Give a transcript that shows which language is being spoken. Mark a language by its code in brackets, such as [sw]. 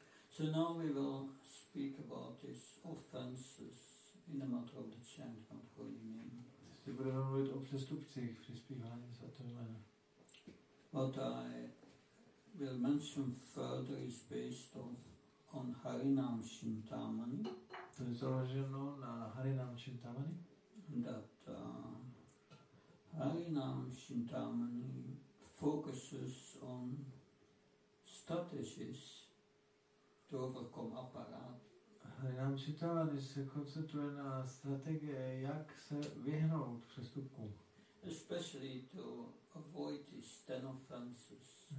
[en] So now we will speak about these offenses in the matter of the chant of the holy name. [cs] Teď budeme mluvit o přestupcích při zpívání svatého jména. [en] What I will mention further is based on Harinam Chintamani. [cs] To je založeno na Harinam Chintamani. [en] That Harinam Chintamani focuses on strategies to overcome apparat. [cs] Harinam Chintamani se koncentruje na strategie, jak se vyhnout přestupkům. [en] Especially to avoid these 10 offenses.